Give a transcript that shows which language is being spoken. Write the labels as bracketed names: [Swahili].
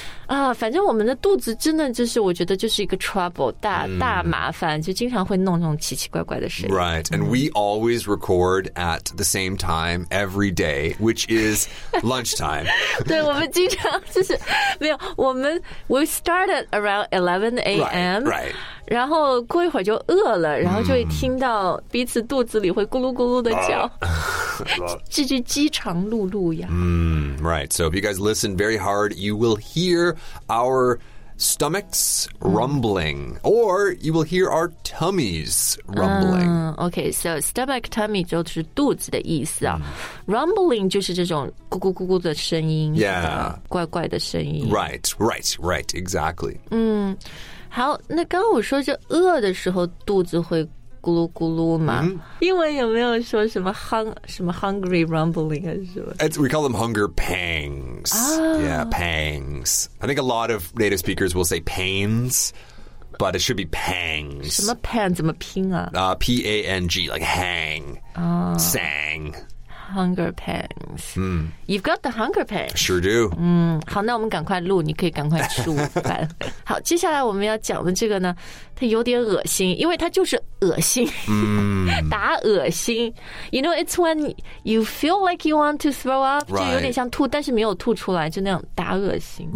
[Chinese] 啊，反正我们的肚子真的就是，我觉得就是一个 trouble， 大麻烦，就经常会弄这种奇奇怪怪的声音。 [English] Right, and we always record at the same time every day, which is lunchtime. [Chinese] 对，我们经常就是没有我们 [English] we start at around 11 a.m. Right. right. [Chinese] 然后过一会儿就饿了，然后就会听到彼此肚子里会咕噜咕噜的叫，这句饥肠辘辘呀。 [English] Right. So if you guys listen very hard, you will hear our stomachs rumbling, or you will hear our tummies rumbling. [Chinese] Okay. [English] So stomach tummy [Chinese] 就是肚子的意思啊。 Rumbling 就是这种咕咕咕咕的声音， [English] yeah. [Chinese] 怪怪的声音。 [English] Right. Right. Right. Exactly. [Chinese] 好，那刚刚我说就饿的时候肚子会咕噜咕噜嘛？英文有没有说什么 [English] hungry rumbling [Chinese] 还是什么 [English] ？We call them hunger pangs.、yeah, pangs. I think a lot of native speakers will say pains, but it should be pangs. [Chinese] 什么 pan 怎么拼啊？ [English] P A N G like hang,、sang. Hunger pangs.、You've got the hunger pangs. Sure do. [Chinese] 好，那我们赶快录，你可以赶快吃午饭。好，接下来我们要讲的这个呢，它有点恶心，因为它就是恶心。打恶心。 [English] You know, it's when you feel like you want to throw up,、 right. [Chinese] 就有点像吐，但是没有吐出来，就那样打恶心。